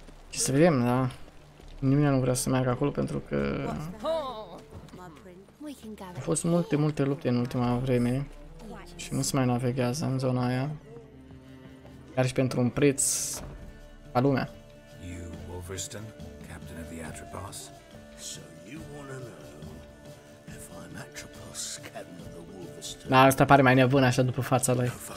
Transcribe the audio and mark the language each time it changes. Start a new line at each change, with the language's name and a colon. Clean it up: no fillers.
Romanian: Și să vedem, da? Nimeni nu vrea să meargă acolo pentru că... au fost multe, multe lupte în ultima vreme și nu se mai navighează în zona aia. Chiar și pentru un preț ca lumea.
English: You, Wolverstone, captain of the Atropos. So you wanna know if I'm Atropos, captain of the...
Romanian: Da, asta pare mai nebun așa după fața lui.